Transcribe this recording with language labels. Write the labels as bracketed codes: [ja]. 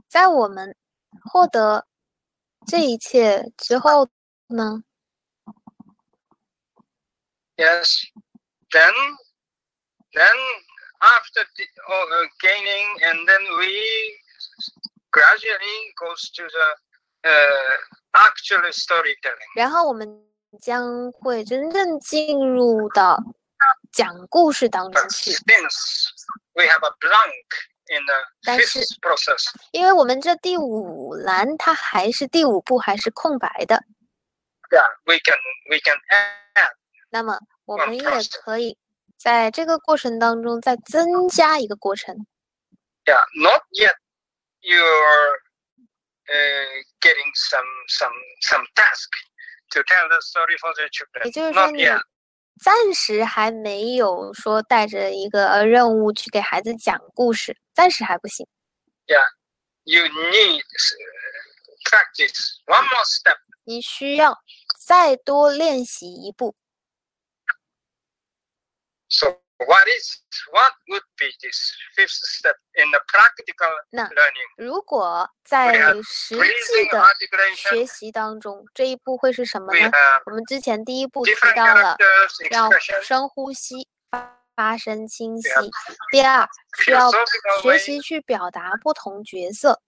[zh] 在我们获得。这一切之后呢 [en] ？Yes, then after the, gaining, and then we gradually goes to the actual storytelling. [zh] 然后我们将会真正进入到讲故事当中去。 [en] But since we have a blank. [zh] 但是因为我们这第五栏它还是第五步还是空白的 [en] yeah, we can add [zh] 那么我们也可以在这个过程当中再增加一个过程 [en] yeah, not yet you're getting some task to tell the story for the children [zh] 也就是说你暂时还没有说带着一个任务去给孩子讲故事暂时还不行。 [en] Yeah, you need practice one more step. [zh] 你需要再多练习一步。 [en] So what would be this fifth step in the practical learning? [zh] 如果在实际的学习当中，这一步会是什么呢？我们之前第一步提到了要深呼吸。发声清晰。第二，需要学习去表达不同角色。